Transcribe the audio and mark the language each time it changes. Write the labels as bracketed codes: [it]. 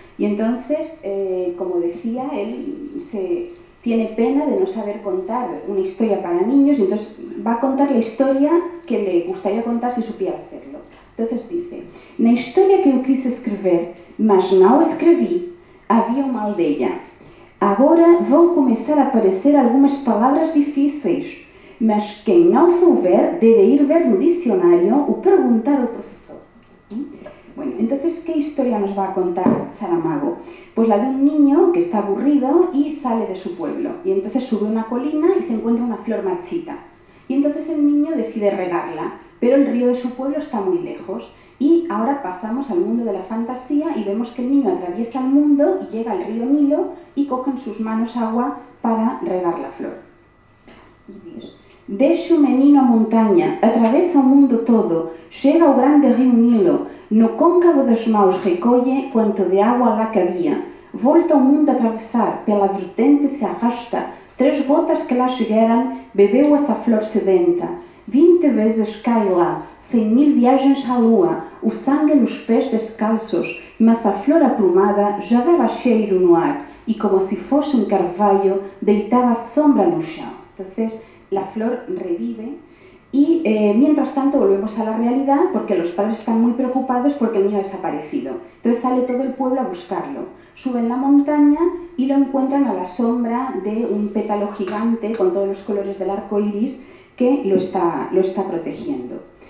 [pt] E então, [es] como decía, ele se tiene pena de no saber contar una historia para niños, y entonces va a contar la historia que le gustaría contar si supiera hacerlo. Entonces dice: [pt] «Na historia que eu quis escrever, mas não escrevi, había una aldeia. Agora vão começar a aparecer algumas palavras difíceis, mas quem não souber deve ir ver no dicionário ou perguntar ao professor». [es] Bueno, Entonces, ¿qué historia nos va a contar Saramago? Pues la de un niño que está aburrido y sale de su pueblo. Y entonces sube una colina y se encuentra una flor marchita. Y entonces el niño decide regarla, pero el río de su pueblo está muy lejos. Y ahora pasamos al mundo de la fantasía y vemos que el niño atraviesa el mundo y llega al río Nilo y coge en sus manos agua para regar la flor. [pt] Deixo menino a montaña, atravesa o mundo todo, chega ao grande río Nilo, no cóncavo dos maus recolle quanto de agua lá cabía, volta o mundo a atravesar, pela vertente se arrasta, tres gotas que lá chegaran, bebeu essa flor sedenta, 20 vezes cai lá, 100.000 viagens à lua, o sangue nos pés descalços, mas a flor aprumada já dava cheiro no ar, e como se fosse carvalho, deitava sombra no chão. [es] Entonces, la flor revive y mientras tanto volvemos a la realidad porque los padres están muy preocupados porque el niño ha desaparecido. Entonces sale todo el pueblo a buscarlo. Suben la montaña y lo encuentran a la sombra de un pétalo gigante con todos los colores del arco iris que lo está protegiendo.